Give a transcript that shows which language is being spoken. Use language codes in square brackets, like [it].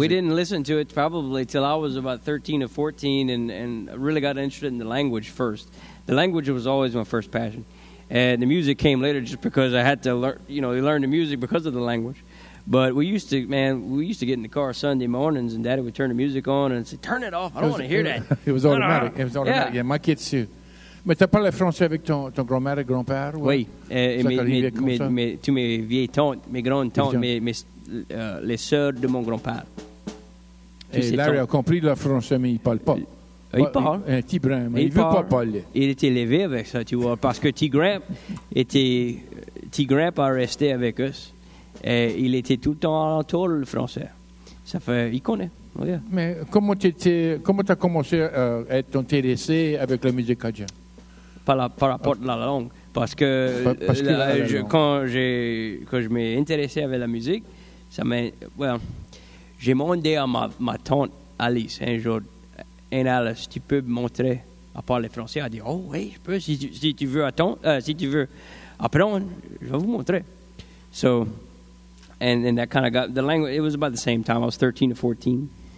[en] We didn't listen to it probably till I was about 13 or 14 and really got interested in the language first. The language was always my first passion, and the music came later just because I had to learn, you know, learn the music because of the language. But we used to get in the car Sunday mornings, and Daddy would turn the music on and say, turn it off. I don't want to hear that. It was automatic. It was automatic. Yeah, my kids too. [fr] Mais t'as parlé français avec ton grand-mère et grand-père? Oui. Tu mes vieilles tantes, mes grandes tantes, mes les sœurs de mon grand-père. Et Larry a compris le français, mais il parle pas. Il parle. Un petit brin, mais il veut pas parler. Il était élevé avec ça, tu vois, parce que T-Gramp a resté avec eux. Et il était tout le temps alentour, le français. Ça fait, il connaît. [en] Oh, yeah. [fr] Mais comment t'as commencé à être intéressé avec la musique cajun? Par rapport à la langue. Parce que quand je m'ai intéressé avec la musique, ça m'a. Well, j'ai demandé à ma tante Alice un jour. Et Alice, tu peux me montrer à parler français. Elle a dit, oh oui, je peux. Si tu veux apprendre, je vais vous montrer. [en] So, and that kind of got the language. It was about the same time. I was 13 or 14.